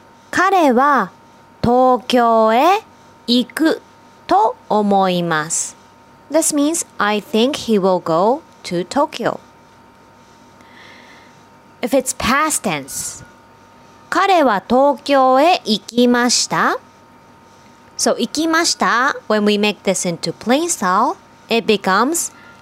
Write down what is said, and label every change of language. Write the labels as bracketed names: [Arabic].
[Japanese] 彼は東京へ行くと思います。 [English] This means I think he will go to Tokyo. If it's past tense, [Japanese] 彼は東京へ行きました。 [English] So 行きました。 When we make this into plain style, it becomes